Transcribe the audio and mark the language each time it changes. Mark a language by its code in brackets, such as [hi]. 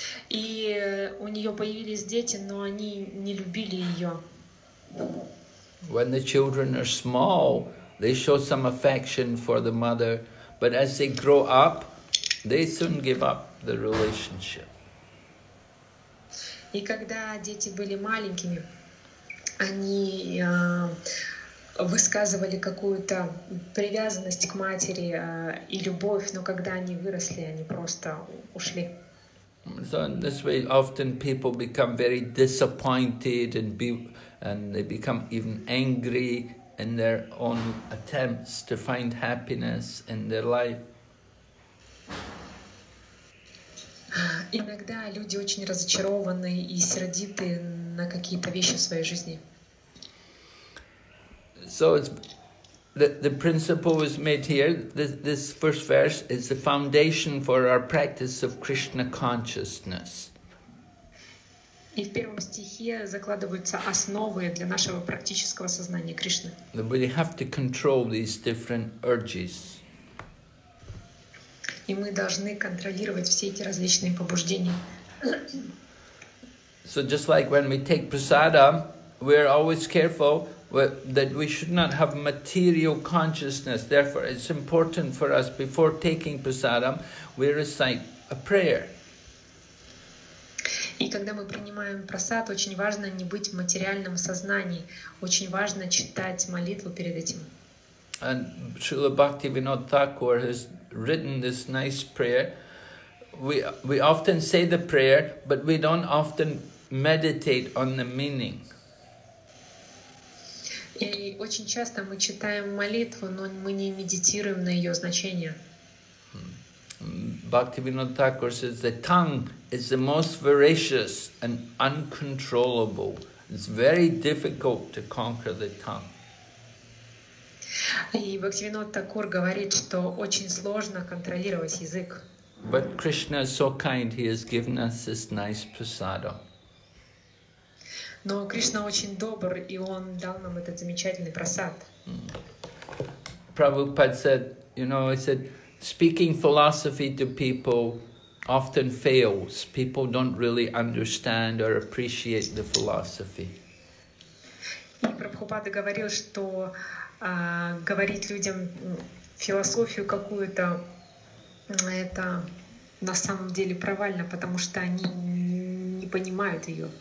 [ru] И у нее появились дети, но они не любили ее. [en] When the children are small, they show some affection for the mother, but as they grow up, they soon give up the relationship. [ru] И когда дети были маленькими, они высказывали какую-то привязанность к матери и любовь, но когда они выросли, они просто ушли. [en] So in this way, often people become very disappointed and they become even angry in their own attempts to find happiness in their life. [ru] Иногда люди очень разочарованы и сердиты на какие-то вещи в своей жизни. [en] So it's the principle was made here. This first verse is the foundation for our practice of Krishna consciousness. [ru] И в первом стихе закладываются основы для нашего практического сознания Кришны. [en] We have to control these different urges. [ru] И мы должны контролировать все эти различные побуждения. [en] So just like when we take prasada, we are always careful that we should not have material consciousness. Therefore, it's important for us before taking prasada, we recite a prayer. [ru] И когда мы принимаем прасад, очень важно не быть в материальном сознании. Очень важно читать молитву перед этим. [en] And Srila Bhaktivinoda Thakur has written this nice prayer. We often say the prayer, but we don't often meditate on the meaning. [ru] И очень часто мы читаем молитву, но мы не медитируем на ее значение. [en] Bhaktivinoda Thakur says the tongue is the most voracious and uncontrollable. It's very difficult to conquer the tongue. [ru] И Бхактивинода Такур говорит, что очень сложно контролировать язык. [en] But Krishna is so kind, he has given us this nice prasada. [ru] Но Кришна очень добр, и он дал нам этот замечательный прасад. [en] Prabhupada said, speaking philosophy to people often fails. People don't really understand or appreciate the philosophy. [ru] И Прабхупада говорил, что говорить людям философию какую-то, это на самом деле провально, потому что они не понимают ее.